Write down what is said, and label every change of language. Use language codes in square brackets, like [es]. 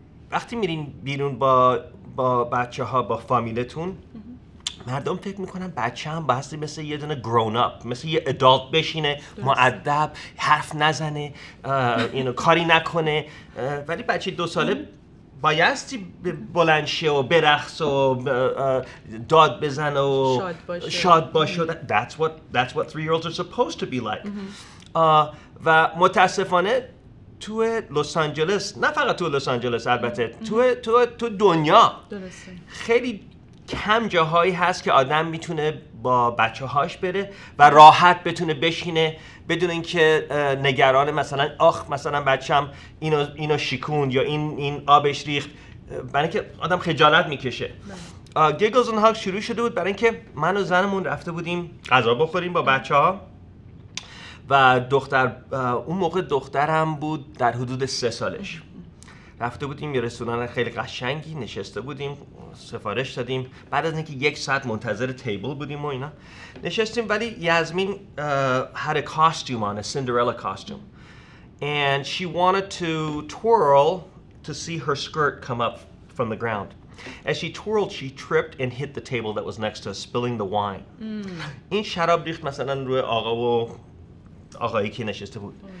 [fa] وقتی میرین بیرون با بچه ها با فامیلتون مردم فکر میکنن بچه هم بایستی مثل یه دونه گرون اپ, مثل یه ادالت بشینه, مؤدب, حرف نزنه, کاری نکنه. ولی بچه دو ساله بایستی بلندشه و برخص و داد بزن و شاد باشه. [en] That's what three-year-olds are supposed to be like. [fa] و متاسفانه تو لس آنجلس, نه فقط تو لس آنجلس البته, تو دنیا خیلی کم جاهایی هست که آدم میتونه با بچه‌هاش بره و راحت بتونه بشینه بدون اینکه نگران مثلا آخ مثلا بچه‌م اینو شیکوند یا این آبش ریخت, برای اینکه آدم خجالت میکشه. گیگلز اند هاگز شروع شده بود برای اینکه من و زنمون رفته بودیم غذا بخوریم با بچه‌ها و دختر اون موقع دخترم بود در حدود 3 سالش. رفته بودیم یه رستوران خیلی قشنگی, نشسته بودیم, سفارش دادیم, بعد از اینکه یک ساعت منتظر تیبل بودیم و اینا نشستیم, ولی یازمین [en] had a costume on, a Cinderella costume, and she wanted to twirl to see her skirt come up from the ground. As she twirled, she tripped and hit the table that was next to us, spilling the wine. [fa] این شراب ریخت مثلا روی آقا و آقایی که نشسته بود.